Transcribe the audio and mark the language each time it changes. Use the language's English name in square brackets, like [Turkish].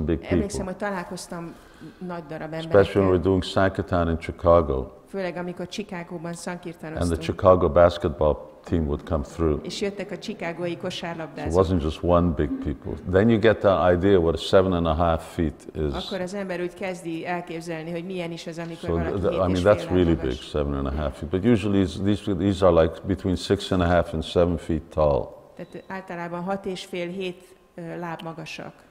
[Hungarian] Emlékszem, hogy találkoztam nagy darab emberekkel. [English] Especially when we're doing Sankirtan in Chicago. [Hungarian] Főleg amikor Chicagóban szankirtanoztunk. [English] And the Chicago basketball team would come through. [Hungarian] És jöttek a chicagói kosárlabdázók. [English] It wasn't just one big people. Then you get the idea what 7.5 feet is. [Hungarian] Akkor az ember úgy kezdi elképzelni, hogy milyen is az, amikor valaki [English] 7.5 feet. I mean, that's really big, 7.5 feet. But usually these are like between 6.5 and 7 feet tall. [Hungarian] Tehát általában 6.5-7 láb magasak.